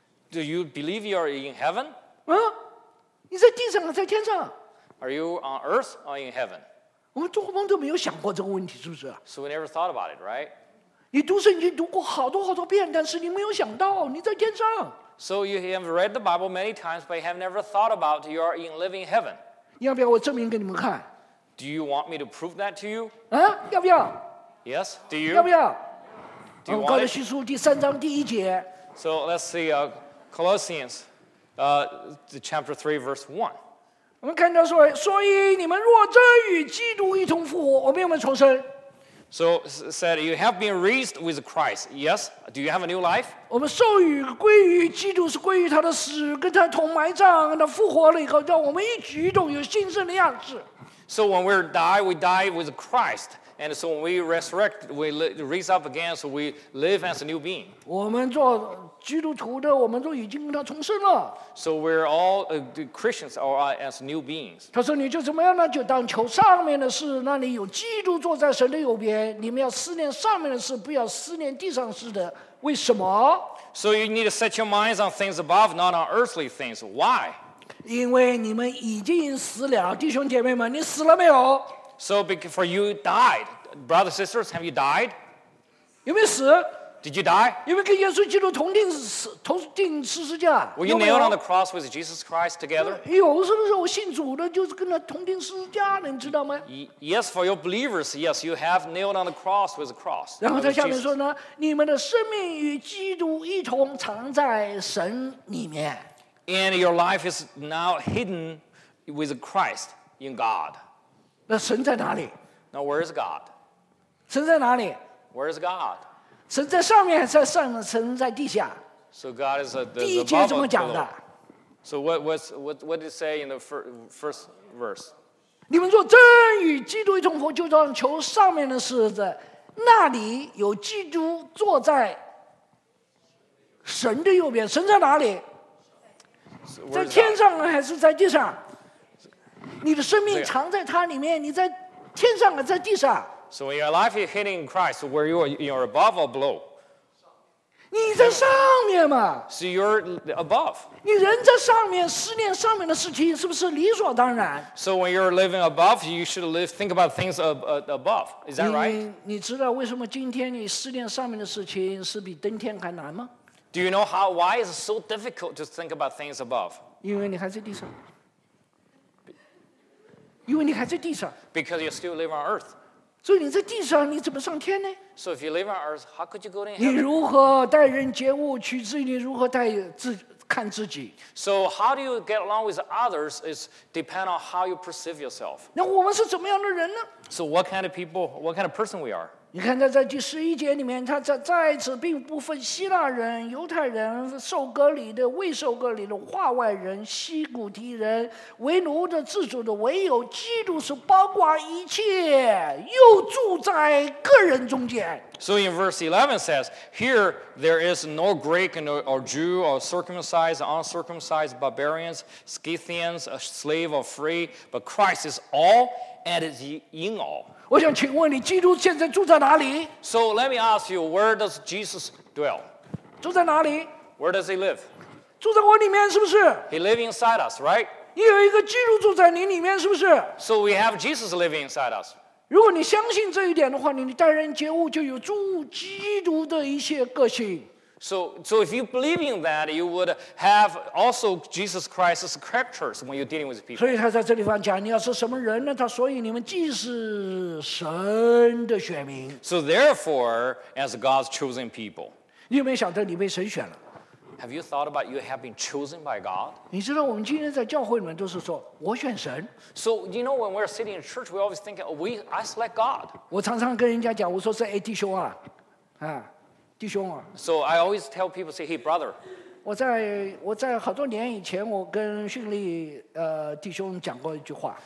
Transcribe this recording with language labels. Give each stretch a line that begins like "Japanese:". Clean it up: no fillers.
English: ？Do you believe you are in heaven？
Chinese: 你在地上，在天上。
English: Are you on earth or in heaven?
Chinese: 我们做梦都没有想过这个问题，是不是
English: ？So we never thought about it, right?
Chinese: 你读圣经读过好多好多遍，但是你没有想到你在天上。
English: So you have read the Bible many times, but you have never thought about you are in living heaven.
Chinese: 要不要我证明给你们看
English: ？Do you want me to prove that to you?
Chinese: 要不要
English: Yes, do you?
Chinese: 要不要？我们高罗西书第三章第一节。
English: So let's see Colossians, chapter 3, verse 1.
Chinese: 我们看到说，所以你们若真与基督一同复活，我们有没有重生？
English: So said you have been raised with Christ. Yes. Do you have a new life?
Chinese: 我们受与归于基督是归于他的死，跟他同埋葬，他复活了以后，叫我们一举一动有新生的样子。
English: So when we die, we die with Christ, and so when we resurrect, we raise up again, so we live as a new being.
Chinese: 我们做基督徒的，我们都已经跟他重生了。
English: So we're all Christians or as new beings.
Chinese: 他说：“你就怎么样呢？就当求上面的事。那里有基督坐在神的右边。你们要思念上面的事，不要思念地上事的。为什么
English: ？”So you need to set your minds on things above, not on earthly things. Why?
Chinese: 因为你们已经死了，弟兄姐妹们，你死了没有
English: ？So for you died, brothers and sisters, have you died?
Chinese: 有没有死？
English: Did you die?
Chinese: 有没有跟耶稣基督同钉十字架
English: ？Were you nailed on the cross with Jesus Christ together?
Chinese: 有，是不是我信主的，就是跟他同钉十字架的，你知道吗
English: ？Yes, for your believers, yes, you have nailed on the cross with the cross.
Chinese: 然后他下面说呢，你们的生命与基督一同藏在神里面。
English: And your life is now hidden with Christ in God.
Chinese: 那神在哪里
English: ？Now where is God?
Chinese: 神在哪里
English: ？Where is God?
Chinese: 神在上面，在上面，神在地下。
English: So God is a.
Chinese: 第一节怎么讲的
English: ？So what did it say in the first verse?
Chinese: 你们若真与基督一同复活，就当求上面的事的，那里有基督坐在神的右边。神在哪里？在天上还是在地上？你的生命藏在他里面，你在天上还在地上？
English: So when your life is hidden in Christ, where you are, you're above or below?
Chinese: 你在上面嘛
English: So you're above.
Chinese: 你人在上面，思念上面的事情，是不是理所当然
English: ？So when you're living above, you should live, think about things above. Is that right?
Chinese: 你知道为什么今天你思念上面的事情是比登天还难吗
English: ？Do you know how? Why is it so difficult to think about things above?
Chinese: 因为你还在地上。因为你还在地上。
English: Because you still live on earth.
Chinese: 所以你在地上，你怎么上天呢
English: ？So if you live on earth, how could you go to heaven?
Chinese: 你如何待人接物，取自于你如何待自看自己
English: ？So how do you get along with others is depend on how you perceive yourself.
Chinese: 那我们是怎么样的人呢
English: ？So what kind of people, what kind of person we are?
Chinese: 你看在第十一节里面，他在此并不分希腊人、犹太人、受割礼的、未受割礼的、化外人、希古提人、为奴的、自主的，唯有基督是包括一切，又住在个人中间。
English: So in verse 11 says, here there is no Greek or Jew or circumcised, uncircumcised, barbarians, Scythians, a slave or free, but Christ is all and is in all.
Chinese: 我想请问你，基督现在住在哪里
English: ？So let me ask you, where does Jesus dwell?
Chinese: 住在哪里
English: ？Where does he live?
Chinese: 住在我里面，是不是
English: ？He lives inside us, right?
Chinese: 你有一个基督住在你里面，是不是
English: ？So we have Jesus living inside us.
Chinese: 如果你相信这一点的话，你待人接物就有住基督的一些个性。
English: So if you believe in that, you would have also Jesus Christ's characters when you're dealing with people.
Chinese: 所以他在这地方讲，你要是什么人呢？他所以你们既是神的选民。
English: So therefore, as God's chosen people,
Chinese: 你有没有想到你被谁选了
English: ？Have you thought about you have been chosen by God?
Chinese: 你知道我们今天在教会里面都是说我选神。
English: So you know when we're sitting in church, we always think、oh, I select God.
Chinese: 我常常跟人家讲，我说是哎弟兄啊，啊。弟兄啊
English: ！So I always tell people, say, "Hey, brother."
Chinese: 我在好多年以前，我跟训力弟兄讲过一句话。